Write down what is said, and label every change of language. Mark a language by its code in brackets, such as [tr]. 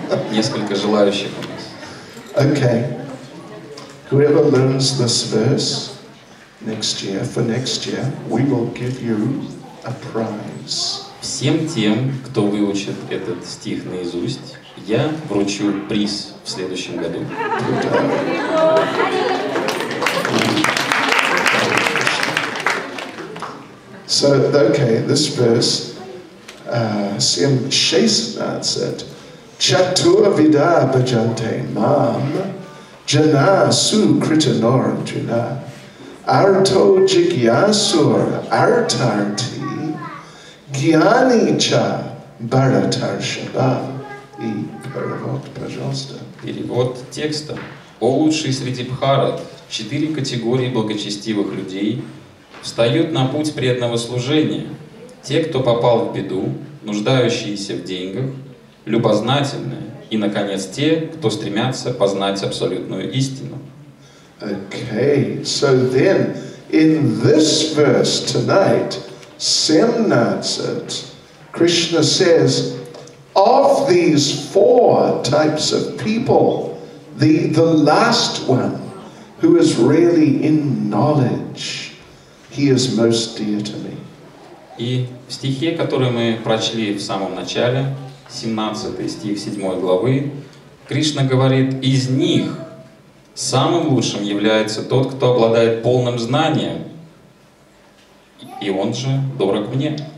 [ru] Несколько желающих у нас. [en] Okay. Whoever learns this verse next year, for next year, we will give you a prize. [ru] Всем тем, кто выучит этот стих наизусть, я вручу приз в следующем году. [en] So, okay, this verse, 7:16, [sa] Chatur Vida Bhajante Mam, Jana Su Kritanor Juna, Arto Jigyasur Artarti, Gyani Cha Bharatar Shabha, [ru] и перевод, пожалуйста. Перевод текста. О лучший среди Бхарат, четыре категории благочестивых людей, встают на путь преданного служения. Те, кто попал в беду, нуждающиеся в деньгах, любознательные, и, наконец, те, кто стремятся познать абсолютную истину. [en] Okay, so then, in this verse tonight, 17, Krishna says, of these four types of people, the last one, who is really in knowledge, He is most dear to me. [ru] И в стихе, который мы прочли в самом начале, 17 стих 7 главы, Кришна говорит, из них самым лучшим является тот, кто обладает полным знанием, и он же дорог мне.